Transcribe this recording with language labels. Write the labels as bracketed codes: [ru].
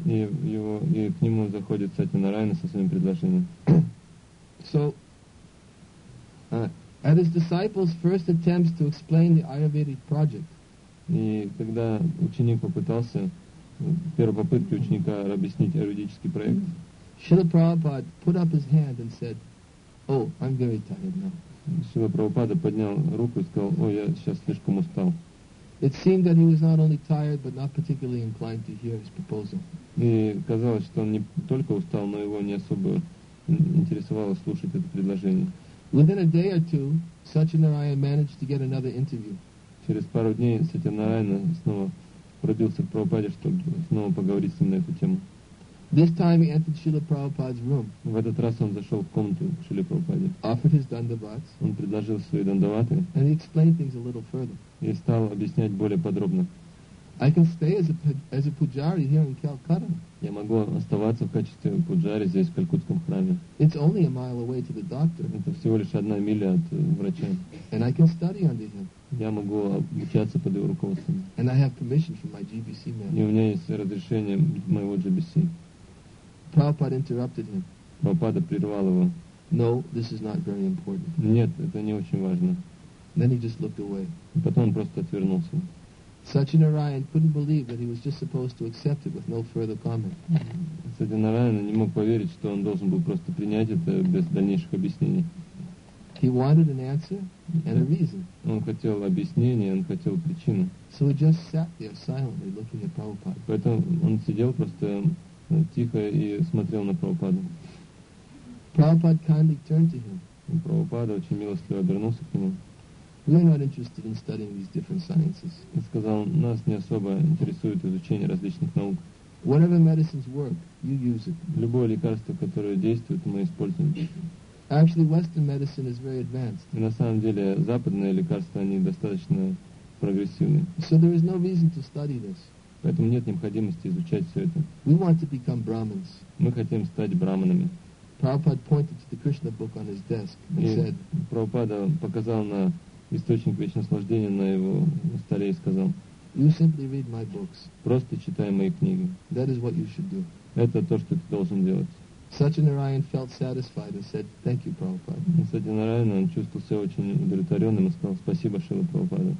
[ru] И к нему заходит Сатьянараяна со своим предложением. [en] So, at his disciples' first attempts to explain the Ayurvedic project. [ru] И когда ученик попытался, в первой попытке ученика объяснить аюрведический проект, [en] Шрила Прабхупада put up his hand and said, "Oh, I'm very tired now." [ru] Шрила Прабхупада поднял руку и сказал, ой, я сейчас слишком устал. [en] It seemed that he was not only tired, but not particularly inclined to hear his proposal. [ru] И казалось, что он не только устал, но его не особо интересовало слушать это предложение. [en] Within a day or two, Satyanarayan managed to get another interview. [ru] Через пару дней Сатьянараяна снова пробился к Прабхупаде, чтобы снова поговорить с ним на эту тему. [en] This time he entered Srila Prabhupada's room. [ru] В этот раз он зашел в комнату к Шриле Прабхупаде. [en] Offered his дандавадс. [ru] Он предложил свои дандаваты. [en] And he explained things a little further. [ru] И стал объяснять более подробно. [en] I can stay as a pujari here in Calcutta. [ru] Я могу оставаться в качестве пуджари здесь, в Калькутском храме. [en] It's only a mile away to the doctor. [ru] Это всего лишь одна миля от врача. [en] And I can study under him. [ru] Я могу обучаться под его руководством. [en] And I have permission from my GBC man. [ru] И у меня есть разрешение моего GBC. [en] Prabhupada interrupted him. [ru] Prabhupada прервал его. [en] No, this is not very important. [ru] Нет, это не очень важно. [en] Then he just looked away. [ru] Потом он просто отвернулся. [en] Satyanarayan couldn't believe that he was just supposed to accept it with no further comment. [ru] Satyanarayana не мог поверить, что он должен был просто принять это без дальнейших объяснений. [en] He wanted an answer and a reason. [ru] Он хотел объяснение, он хотел причину. [en] So he just sat there silently looking at Prabhupada. [ru] Поэтому он сидел просто тихо и смотрел на Прабхупаду. [en] Prabhupada kindly turned to him. [ru] Прабхупада очень милостиво обернулся к нему. [en] We are not interested in studying these different sciences. [ru] Он сказал, нас не особо интересует изучение различных наук. [en] Whatever medicines work, you use it. [ru] Любое лекарство, которое действует, мы используем. [en] Actually, Western medicine is very advanced. [ru] И на самом деле, западные лекарства, они достаточно прогрессивны. [en] So there is no reason to study this. [ru] Поэтому нет необходимости изучать все это. [en] We want to become Brahmins. [ru] Мы хотим стать брахманами. [en] Prabhupada pointed to the Krishna book on his desk and said, [ru] Прабхупада показал на источник вечного наслаждения на его столе и сказал, [en] you simply read my books. [ru] Просто читай мои книги. [en] That is what you should do. [ru] Это то, что ты должен делать. [en] Satyanarayan felt satisfied and said, "Thank you, Prabhupada." [ru] Satyanarayan, он чувствовал себя очень удовлетворенным и сказал: "Спасибо, Шрила Прабхупада."